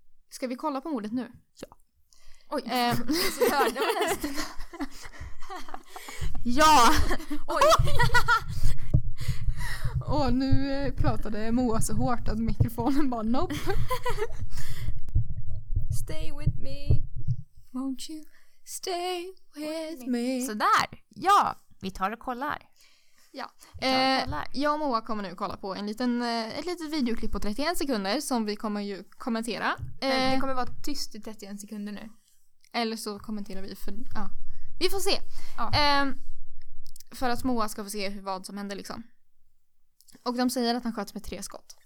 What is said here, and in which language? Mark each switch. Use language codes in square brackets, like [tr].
[sv] Ska vi kolla på mordet nu? Ja. Oj, så hörde man nästan. Ja! Oj! Och nu pratade Moa så hårt att mikrofonen bara nope. [en] Stay with me, won't you stay with me. [sv] Sådär, ja. Vi tar och kollar. Ja. Jag och Moa kommer nu kolla på en liten, ett litet videoklipp på 31 sekunder som vi kommer ju kommentera. Men det kommer vara tyst i 31 sekunder nu. Eller så kommenterar vi för, ja. Vi får se. Ja. För att Moa ska få se hur, vad som händer liksom. Och de säger att han sköts med 3 skott.